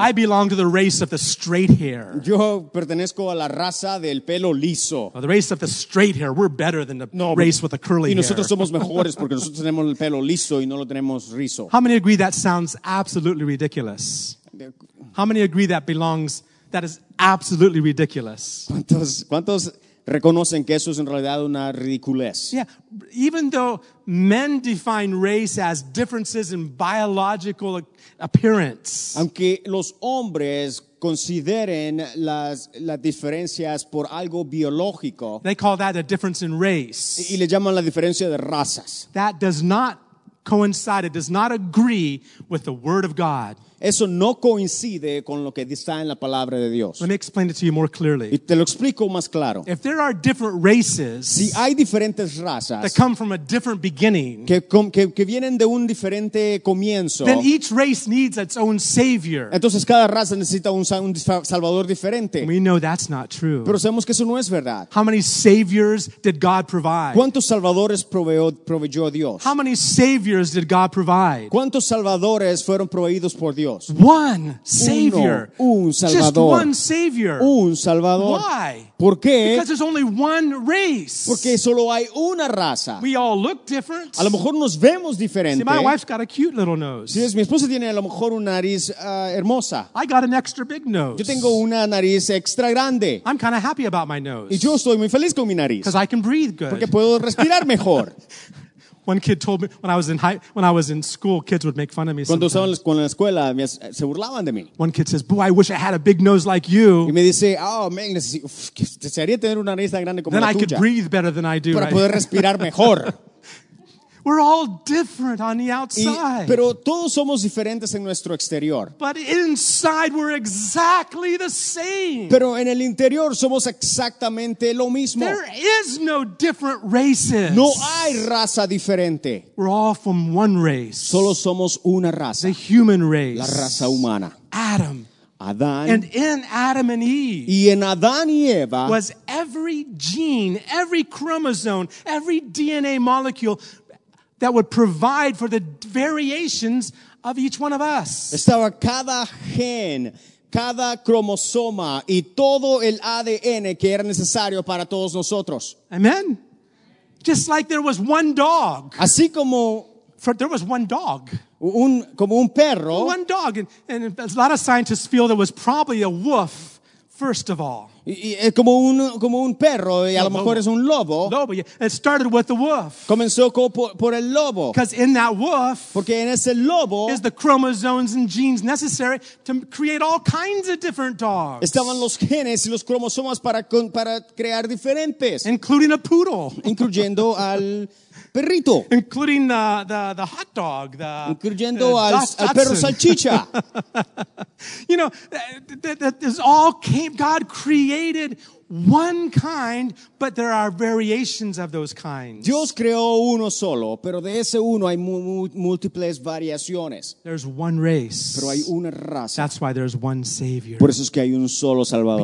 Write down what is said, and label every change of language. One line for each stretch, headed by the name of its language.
English: I belong to the race of the straight hair.
Spanish: Yo pertenezco a la raza del pelo liso.
English: Or the race of the straight hair. We're better than the race with the curly hair.
Spanish: Y nosotros somos mejores porque nosotros tenemos el pelo liso y no lo tenemos rizo.
English: How many agree that sounds absolutely ridiculous? How many agree that belongs, that is absolutely ridiculous?
Spanish: ¿Cuántos reconocen que eso es en realidad una ridiculez?
English: Yeah, even though men define race as differences in biological appearance.
Spanish: Aunque los hombres consideren las diferencias por algo biológico.
English: They call that a difference in race.
Spanish: Y le llaman la diferencia de razas.
English: That does not coincide, it does not agree with the word of God.
Spanish: Eso no coincide con lo que está en la palabra de Dios.
English: Let me explain it to you more clearly.
Spanish: Y te lo explico más claro.
English: If there are different races,
Spanish: si hay diferentes razas,
English: that come from a different beginning,
Spanish: que vienen de un diferente comienzo,
English: then each race needs its own savior.
Spanish: Entonces cada raza necesita un salvador diferente.
English: We know that's not true.
Spanish: Pero sabemos que eso no es verdad.
English: How many saviors did God provide?
Spanish: ¿Cuántos salvadores proveyó Dios?
English: How many saviors did God provide?
Spanish: ¿Cuántos salvadores fueron proveídos por Dios?
English: One savior.
Spanish: Un salvador.
English: Just one savior.
Spanish: Un salvador.
English: Why?
Spanish: ¿Por qué?
English: Because there's only one race.
Spanish: Porque solo hay una raza.
English: We all look different.
Spanish: A lo mejor nos vemos diferente.
English: See, my wife's got a cute little nose.
Spanish: Sí, mi esposa tiene a lo mejor una nariz hermosa.
English: I got an extra big nose.
Spanish: Yo tengo una nariz extra grande.
English: I'm kind of happy about my nose.
Spanish: Y yo estoy muy feliz con mi nariz.
English: Because I can breathe good.
Spanish: Porque puedo respirar mejor.
English: One kid told me when I was in school, kids would make fun of me.
Spanish: Cuando estaba en la escuela, se burlaban de mí.
English: One kid says, "Boy, I wish I had a big nose like you."
Spanish: Y me dice,
English: "Oh man,
Spanish: desearía tener una nariz tan grande como la tuya."
English: Then I could breathe better than I do.
Spanish: Para poder respirar mejor.
English: We're all different on the outside.
Spanish: Pero todos somos diferentes en nuestro exterior.
English: But inside we're exactly the same.
Spanish: Pero en el interior somos exactamente lo mismo.
English: There is no different races.
Spanish: No hay raza diferente.
English: We're all from one race.
Spanish: Solo somos una raza.
English: The human race.
Spanish: La raza humana.
English: Adam.
Spanish: Adán.
English: And in Adam and Eve,
Spanish: y en Adán y Eva,
English: was every gene, every chromosome, every DNA molecule that would provide for the variations of each one of us.
Spanish: Estaba cada gen, cada cromosoma y todo el ADN que era necesario para todos nosotros.
English: Amen. Just like there was one dog.
Spanish: Así como
English: there was one dog.
Spanish: Como un perro.
English: One dog, and a lot of scientists feel there was probably a wolf first of all.
Spanish: Como un perro, y a lo mejor es un lobo.
English: Lobo, yeah. It started with the wolf.
Spanish: Comenzó por el lobo.
English: Because in that wolf,
Spanish: porque en ese lobo,
English: is the chromosomes and genes necessary to create all kinds of different dogs.
Spanish: Estaban los genes y los cromosomas para crear diferentes.
English: Including a poodle.
Spanish: Incluyendo al perrito.
English: Including the hot dog. The,
Spanish: incluyendo al perro salchicha.
English: You know, this all came. God created one kind, but there are variations of those kinds.
Spanish: Dios creó uno solo, pero de ese uno hay múltiples variaciones.
English: There's one race.
Spanish: Pero hay una raza.
English: That's why there's one Savior.
Spanish: Por eso es que hay un solo Salvador.